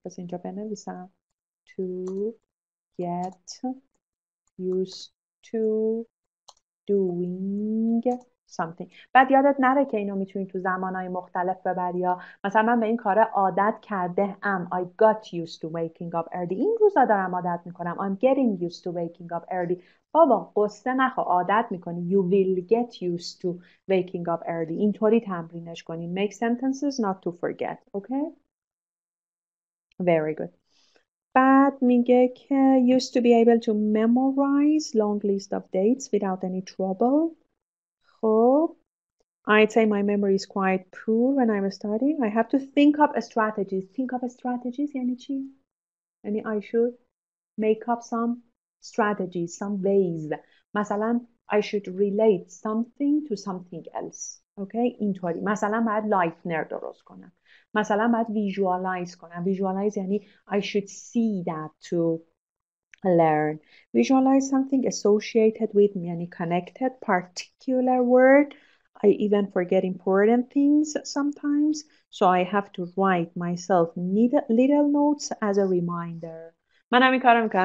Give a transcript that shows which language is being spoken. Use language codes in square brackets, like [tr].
[fa] پس اینجا بنویسم. [en] To get used to doing something. [fa] بعد یادت نره که اینو میتونی تو زمانهای مختلف ببری. مثلا من به این کار عادت کرده ام. [en] I got used to waking up early. [fa] این روزا دارم عادت میکنم. [en] I'm getting used to waking up early. [fa] بابا قصه نخو، عادت میکنی. [en] You will get used to waking up early. [fa] اینطوری تمرینش کنی. [en] Make sentences not to forget. Okay? Very good. [fa] بعد میگه که [en] used to be able to memorize long list of dates without any trouble. خب I'd say my memory is quite poor when I'm studying. I have to think up strategies. Think up strategies [fa] یعنی چی؟ یعنی [en] I should make up some strategies, some ways. مثلا I should relate something to something else. [fa] Okay, اینطوری. مثلا باید لایتنر درست کنم. مثلا باید ویژوالایز کنم. ویژوالایز یعنی [en] I should see that to learn. Visualize something associated with یعنی connected. Particular word. I even forget important things sometimes. So I have to write myself little notes as a reminder. [fa] من همین کارو میکنم.